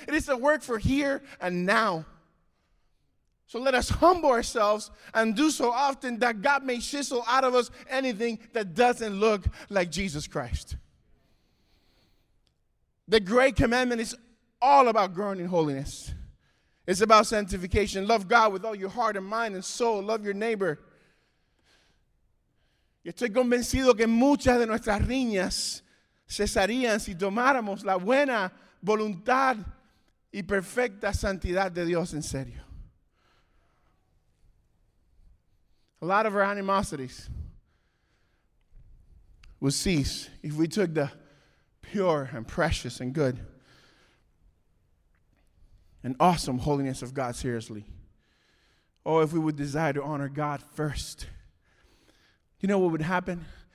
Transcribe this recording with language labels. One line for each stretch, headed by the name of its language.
English: It is a work for here and now. So let us humble ourselves and do so often that God may chisel out of us anything that doesn't look like Jesus Christ. The great commandment is all about growing in holiness. It's about sanctification. Love God with all your heart and mind and soul. Love your neighbor.
Spanish: Yo estoy convencido que muchas de nuestras riñas cesarían si tomáramos la buena voluntad y perfecta santidad de Dios en serio.
English: A lot of our animosities would cease if we took the pure and precious and good and awesome holiness of God seriously. Oh, if we would desire to honor God first. You know what would happen?